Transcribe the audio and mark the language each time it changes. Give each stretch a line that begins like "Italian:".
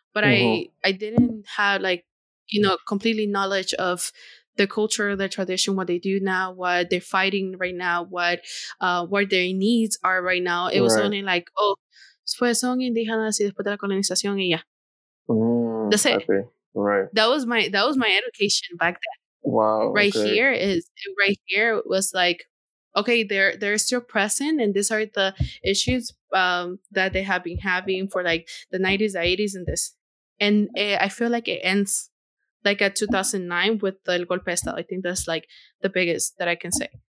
English: But I didn't have like, you know, completely knowledge of the culture, the tradition, what they do now, what they're fighting right now, what their needs are right now. It was only like, oh,
Spanish: pues son indígenas y después de la colonización y ya.
English: That's it. Okay. Right. That was my education back then. Wow. Right here was like, okay, they're still present, and these are the issues that they have been having for like the 90s, the 80s, and this. And I feel like it ends like at 2009 with the El Golpe de Estado. I think that's like the biggest that I can say.